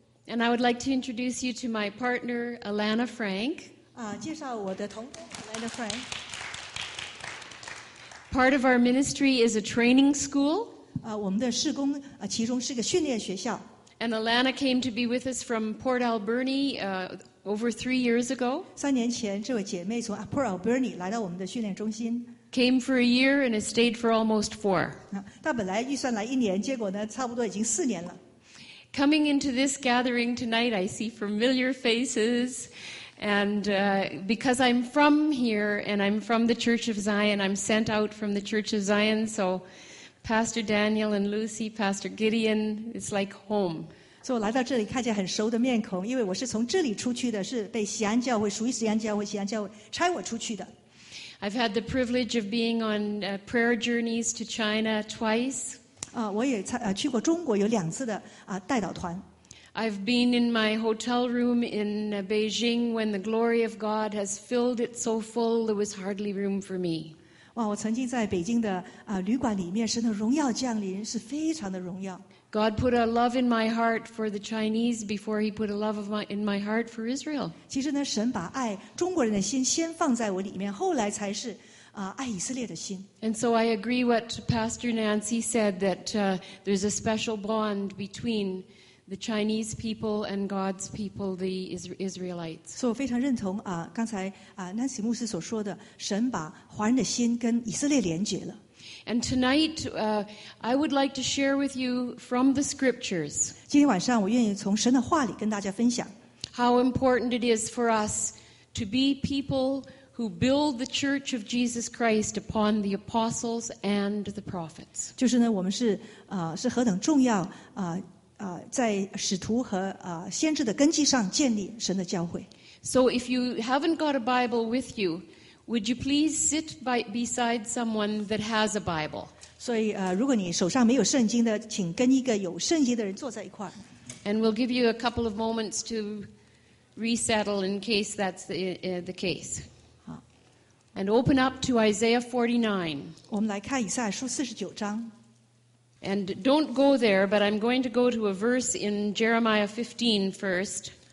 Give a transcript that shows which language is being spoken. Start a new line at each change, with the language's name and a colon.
English: And I would like to introduce you to my partner, Alana Frank.
Chinese: 啊，介绍我的同工 Alana Frank.
English: Part of our ministry is a training school.
Chinese: 啊，我们的事工啊，其中是个训练学校。
English: And Alana came to be with us from Port Alberni, over 3 years ago.
Chinese: 3年前，这位姐妹从 Port Alberni 来到我们的训练中心。
English: Came for a year and has stayed for almost 4.
Chinese: 她本来预算来一年，结果呢，差不多已经4年了。
English: Coming into this gathering tonight, I see familiar faces, and because I'm from here and I'm from the Church of Zion, I'm sent out from the Church of Zion, so. Pastor Daniel and Lucy, Pastor Gideon, it's like home.
Chinese: So, 来到这里看见很熟的面孔，因为我是从这里出去的，是被锡安教会属于锡安教会，锡安教会差我出去的。
English: I've had the privilege of being on prayer journeys to China twice.
Chinese: 啊，我也去过中国有两次的啊代祷团。
English: I've been in my hotel room in Beijing when the glory of God has filled it so full there was hardly room for me.
Chinese: 哇，我曾经在北京的旅馆里面，神的荣耀降临，是非常的荣耀。
English: God put a love in my heart for the Chinese before He put a love of my in my heart for Israel.
Chinese: 其实呢，神把爱中国人的心先放在我里面，后来才是爱以色列的心。
English: And so I agree what Pastor Nancy said that there's a special bond between the Chinese people and God's people, the Israelites.
Chinese: 所以我非常认同刚才Nancy 牧师所说的，神把华人的心跟以色列连结了。
English: And tonight, I would like to share with you from the scriptures.
Chinese: 今天晚上我愿意从神的话里跟大家分享。
English: How important it is for us to be people who build the Church of Jesus Christ upon the apostles and the prophets.
Chinese: 就是呢，我们是何等重要在使徒和先知的根基上建立神的教会。
English: So if you haven't got a Bible with you, would you please sit beside someone that has a Bible?
Chinese: 所以如果你手上没有圣经的，请跟一个有圣经的人坐在一块。
English: And we'll give you a couple of moments to resettle in case that's the case. And open up to Isaiah 49.
Chinese: 我们来看以赛亚书49章。
English: And don't go there, but I'm going to go to a verse in Jeremiah 15 first.